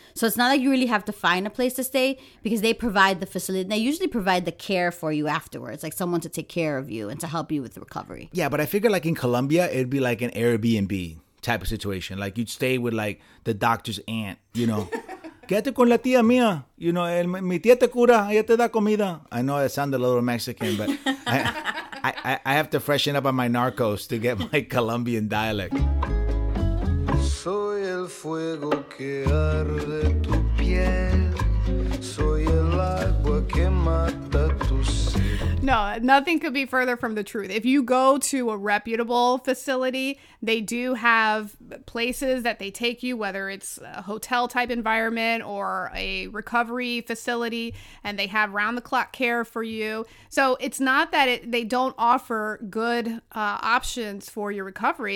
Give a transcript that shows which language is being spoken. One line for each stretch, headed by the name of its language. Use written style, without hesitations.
English: So it's not like you really have to find a place to stay, because they provide the facility. They usually provide the care for you afterwards, like someone to take care of you and to help you with the recovery. Yeah, but I figure like in Colombia, it'd be like an Airbnb type of situation. Like you'd stay with like the doctor's aunt, you know.
Spanish: Quédate con la tía mía.
English: You know,
Spanish: mi tía te cura, ella te da comida.
English: I know I sound a little Mexican, but I have to freshen up on my narcos to get my Colombian dialect.
Spanish: Soy el fuego que arde tu piel. Soy el agua que mata tu sed.
English: No, nothing could be further from the truth. If you go to a reputable facility, they do have places that they take you, whether it's a hotel type environment or a recovery facility, and they have round the clock care for you. So it's not that they don't offer good options for your recovery.